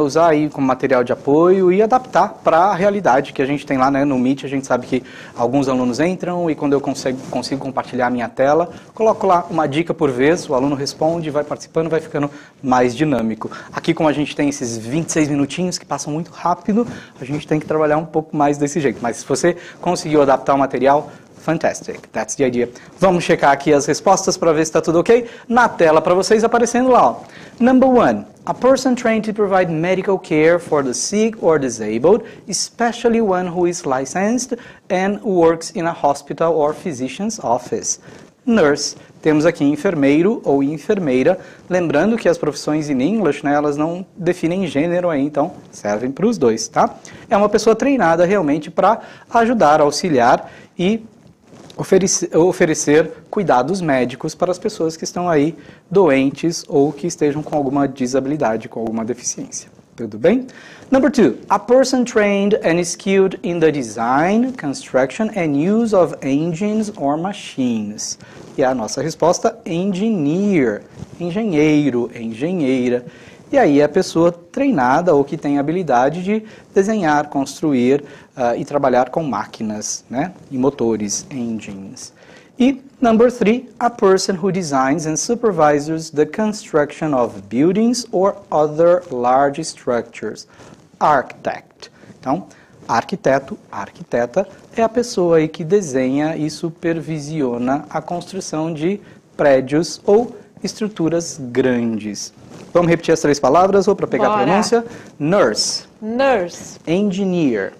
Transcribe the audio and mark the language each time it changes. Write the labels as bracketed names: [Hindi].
[Portuguese] Usar aí como material de apoio e adaptar para a realidade que a gente tem lá, né? No Meet, a gente sabe que alguns alunos entram e quando eu consigo compartilhar a minha tela, coloco lá uma dica por vez, o aluno responde, vai participando, vai ficando mais dinâmico. Aqui, como a gente tem esses 26 minutinhos que passam muito rápido, a gente tem que trabalhar um pouco mais desse jeito. Mas se você conseguiu adaptar o material, [English] fantastic. That's the idea. [Portuguese] Vamos checar aqui as respostas para ver se está tudo ok. Na tela para vocês aparecendo lá, ó. [English] Number one, a person trained to provide medical care for the sick or disabled, especially one who is licensed and works in a hospital or physician's office. [Portuguese] Nurse, temos aqui enfermeiro ou enfermeira, lembrando que as profissões in English, né, elas não definem gênero aí, então servem para os dois, tá? É uma pessoa treinada realmente para ajudar, auxiliar e oferecer cuidados médicos para as pessoas que estão aí doentes ou que estejam com alguma disabilidade, com alguma deficiência. Tudo bem? [English] Number two, a person trained and skilled in the design, construction and use of engines or machines. [Portuguese] E a nossa resposta, engineer, engenheiro, engenheira. E aí é a pessoa treinada ou que tem habilidade de desenhar, construir e trabalhar com máquinas, né? E motores, engines. [English] E number three, a person who designs and supervises the construction of buildings or other large structures, architect. [Portuguese] Então, arquiteto, arquiteta, é a pessoa aí que desenha e supervisiona a construção de prédios ou estruturas grandes. Vamos repetir as três palavras ou para pegar Bora. A pronúncia? Nurse. [English] Nurse. Engineer.